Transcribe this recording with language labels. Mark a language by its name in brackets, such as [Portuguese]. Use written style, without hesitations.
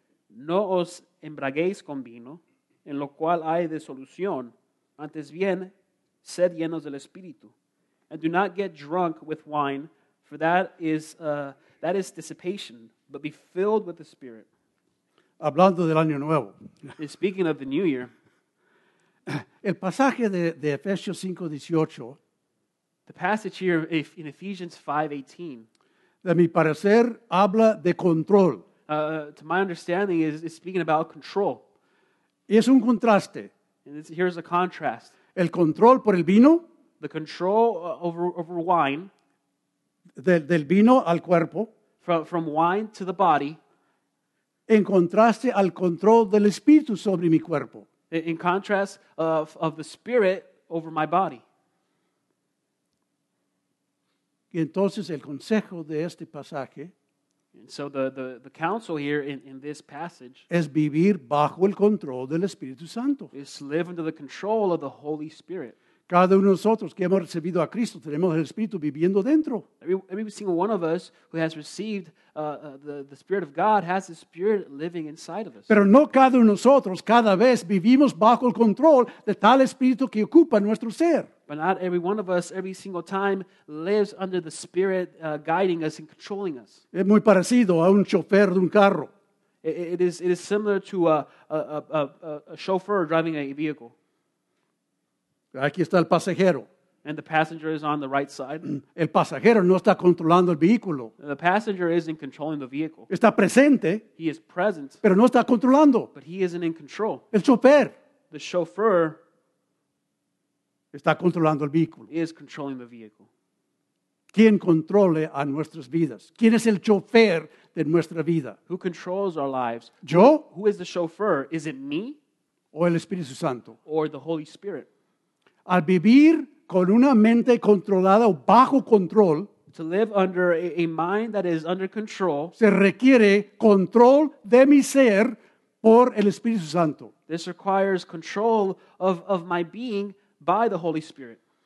[Spanish] No os embraguéis con vino, en lo cual hay disolución, antes bien, sed llenos del Espíritu. [English] And do not get drunk with wine, for that is dissipation, but be filled with the Spirit. [Spanish] Hablando del año nuevo. [English] And speaking of the new year. [Spanish] El pasaje de Efesios 5:18. [English] The passage here in Ephesians 5:18. [Spanish] De mi parecer, habla de control. [English] To my understanding, is speaking about control. [Spanish] Y es un contraste. [English] And here's a contrast. [Spanish] El control por el vino. [English] The control over wine. [Spanish] Del vino al cuerpo. [English] From wine to the body. [Spanish] En contraste al control del Espíritu sobre mi cuerpo. [English] In contrast of the Spirit over my body. [Spanish] Y entonces el consejo de este pasaje. [English] And so the counsel here in this passage [Spanish] es vivir bajo el control del Espíritu Santo. [English] Is live under the control of the Holy Spirit. [Spanish] Cada uno de nosotros que hemos recibido a Cristo tenemos el Espíritu viviendo dentro. [English] Every single one of us who has received the Spirit of God has the Spirit living inside of us. [Spanish] Pero no cada uno de nosotros cada vez vivimos bajo el control de tal Espíritu que ocupa nuestro ser. [English] But not every one of us every single time lives under the Spirit guiding us and controlling us. [Spanish] Es muy parecido a un chofer de un carro. [English] It is similar to a chauffeur driving a vehicle. [Spanish] Aquí está el pasajero. [English] And the passenger is on the right side. [Spanish] El pasajero no está controlando el vehículo. [English] The passenger isn't controlling the vehicle. [Spanish] Está presente. [English] He is present. [Spanish] Pero no está controlando. [English] But he isn't in control. [Spanish] El chofer. [English] The chauffeur. [Spanish] Está controlando el vehículo. [English] Is controlling the vehicle. [Spanish] ¿Quién controla a nuestras vidas? ¿Quién es el chofer de nuestra vida? [English] Who controls our lives? [Spanish] ¿Yo? [English] Who is the chauffeur? Is it me? [Spanish] o el Espíritu Santo. [English] Or the Holy Spirit. [Spanish] Al vivir con una mente controlada o bajo control, [English] to live under a mind that is under control, [Spanish] se requiere control de mi ser por el Espíritu Santo. [English] This requires control of my being by the Holy Spirit.